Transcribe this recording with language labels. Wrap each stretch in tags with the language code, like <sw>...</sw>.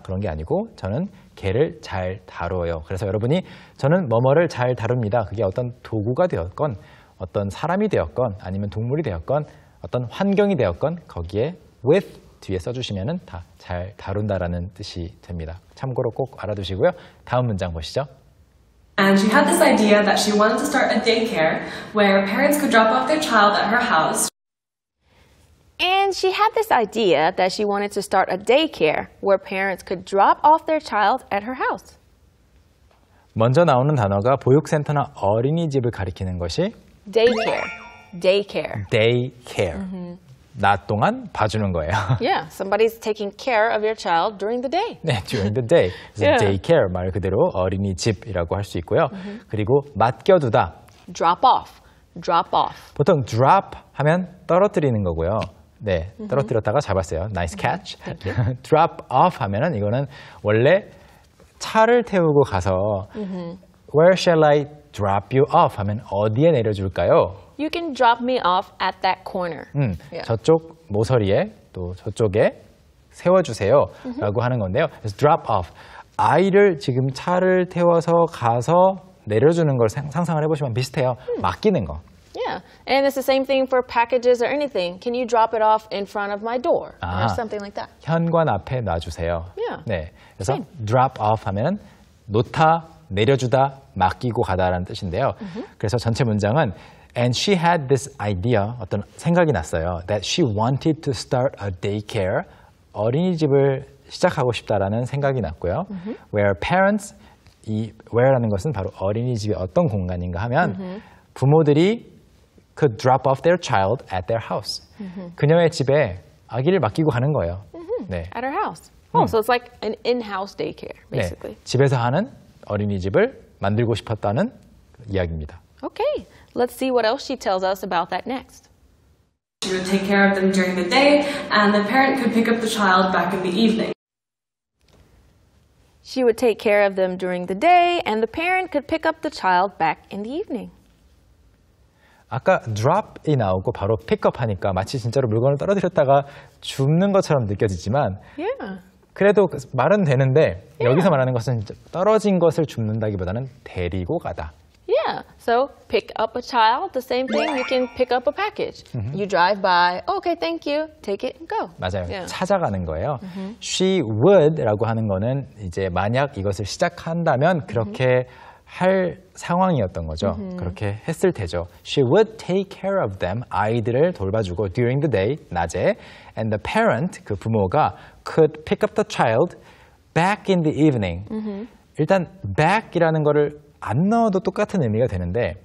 <ko>그런 게 아니고 저는 개를 잘 다루어요. 그래서 여러분이 저는 뭐뭐를 잘 다룹니다. 그게 어떤 도구가 되었건, 어떤 사람이 되었건, 아니면 동물이 되었건, 어떤 환경이 되었건 거기에 with 뒤에 써주시면 다 잘 다룬다라는 뜻이 됩니다. 참고로 꼭 알아두시고요. 다음 문장 보시죠.</ko> <en>And she had this idea that she wanted to start a daycare where parents could drop off their child at her house. And she had this idea that she wanted to start a daycare where parents could drop off their child at her house.</en> <ko>먼저 나오는 단어가 보육센터나 어린이집을 가리키는 것이</ko> <en>daycare. Daycare.</en> <ko>Daycare. Mm-hmm. 낮 동안 봐주는 거예요.</ko> <en>Yeah, somebody's taking care of your child during the day.</en> <ko>네,</ko> <en>during the day. So yeah.</en> <ko>Daycare 말 그대로 어린이집이라고 할 수 있고요. Mm-hmm. 그리고 맡겨두다.</ko> <en>Drop off. Drop off.</en> <ko>보통 drop 하면 떨어뜨리는 거고요. 네, 떨어뜨렸다가 잡았어요.</ko> <en>Nice catch.</en> <ko>Drop off 하면은 이거는 원래 차를 태우고 가서</ko> <en>Where shall I drop you off</en> <ko>하면 어디에 내려줄까요?</ko> <en>You can drop me off at that corner.</en> <ko>저쪽 모서리에 또 저쪽에 세워주세요 라고 하는 건데요.</ko> <en>Drop off.</en> <ko>아이를 지금 차를 태워서 가서 내려주는 걸 상상을 해보시면 비슷해요. 맡기는 거.</ko> <en>Yeah, and it's the same thing for packages or anything. Can you drop it off in front of my door?</en> <ko>아,</ko> <en>or something like that.</en> <ko>현관 앞에 놔주세요.</ko> <en>Yeah.</en> <ko>네. 그래서 same. drop off 하면 놓다, 내려주다, 맡기고 가다라는 뜻인데요. 그래서 전체 문장은</ko> <en>And she had this idea,</en> <ko>어떤 생각이 났어요.</ko> <en>That she wanted to start a daycare</en> <ko>어린이집을 시작하고 싶다라는 생각이 났고요. Mm-hmm.</ko> <en>Where parents,</en> <ko>이 where라는 것은 바로 어린이집이 어떤 공간인가 하면 mm-hmm. 부모들이</ko> <en>could drop off their child at their house. Mm-hmm.</en> <ko>그녀의 집에 아기를 맡기고 가는 거예요.</ko> <en>Mm-hmm. 네. At her house. Oh, so it's like an in-house daycare, basically.</en> <ko>네. 집에서 하는 어린이집을 만들고 싶었다는 이야기입니다.</ko> <en>Okay, let's see what else she tells us about that next. She would take care of them during the day, and the parent could pick up the child back in the evening. She would take care of them during the day, and the parent could pick up the child back in the evening.</en> <ko>아까 drop이 나오고 바로 pick up 하니까 마치 진짜로 물건을 떨어뜨렸다가 줍는 것처럼 느껴지지만</ko> <en>yeah.</en> <ko>그래도 말은 되는데 yeah. 여기서 말하는 것은 떨어진 것을 줍는다기보다는 데리고 가다.</ko> <en>Yeah, so pick up a child, the same thing, you can pick up a package. Mm-hmm. You drive by, okay, thank you, take it and go.</en> <ko>맞아요, yeah. 찾아가는 거예요. Mm-hmm. She would라고 하는 거는 이제 만약 이것을 시작한다면 그렇게 mm-hmm. 할 상황이었던 거죠. Mm-hmm. 그렇게 했을 테죠.</ko> <en>She would take care of them,</en> <ko>아이들을 돌봐주고</ko> <en>during the day, 낮에, and the parent,</en> <ko>그 부모가</ko> <en>could pick up the child back in the evening. Mm-hmm.</en> <ko>일단 back이라는 거를 안 넣어도 똑같은 의미가 되는데</ko>